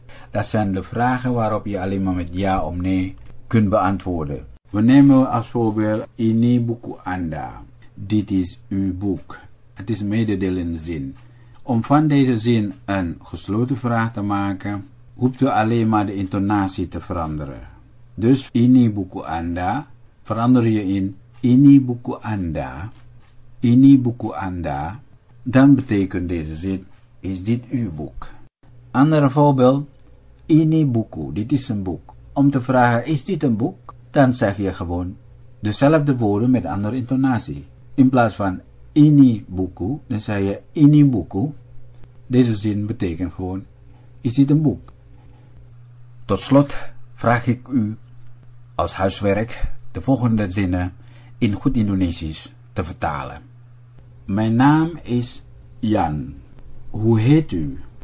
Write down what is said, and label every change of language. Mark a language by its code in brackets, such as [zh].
[nl] Dat zijn de vragen waarop je alleen maar met ja of nee kunt beantwoorden. We nemen als voorbeeld [id] ini buku anda. [nl] Dit is uw boek. Het is mededelende zin. Om van deze zin een gesloten vraag te maken, hoeft u alleen maar de intonatie te veranderen. Dus [id] ini buku anda, [nl] verander je in [id] ini buku anda, ini buku anda. [nl] Dan betekent deze zin, is dit uw boek? Andere voorbeeld, [id] ini buku, [nl] dit is een boek. Om te vragen, is dit een boek? Dan zeg je gewoon dezelfde woorden met andere intonatie. In plaats van [id] ini buku, [nl] dan zeg je [id] ini buku. [nl] Deze zin betekent gewoon, is dit een boek? Tot slot vraag ik u als huiswerk de volgende zinnen in goed Indonesisch te vertalen. Mijn naam is Jan. Hoe heet u?